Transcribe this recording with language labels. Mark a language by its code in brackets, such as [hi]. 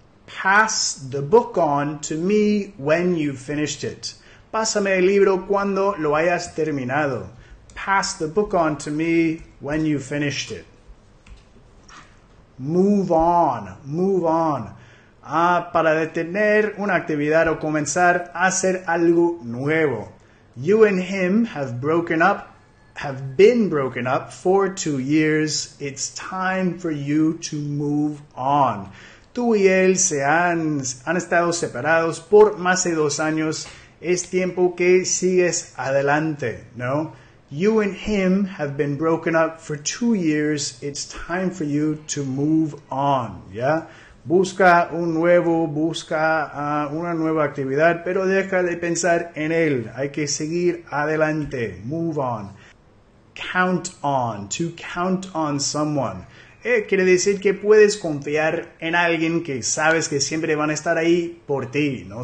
[en] Pass the book on to me when you've finished it. [es] Pásame el libro cuando lo hayas terminado. [en] Pass the book on to me when you finished it. Move on. [es] Para detener una actividad o comenzar a hacer algo nuevo. [en] You and him have been broken up for 2 years. It's time for you to move on. [es] Tú y él se han estado separados por más de 2 años. Es tiempo que sigues adelante, ¿no? [en] You and him have been broken up for 2 years. It's time for you to move on, ¿ya? [es] Busca una nueva actividad, pero deja de pensar en él. Hay que seguir adelante. Move on. Count on. [en] To count on someone. [es] Quiere decir que puedes confiar en alguien que sabes que siempre van a estar ahí por ti, ¿no?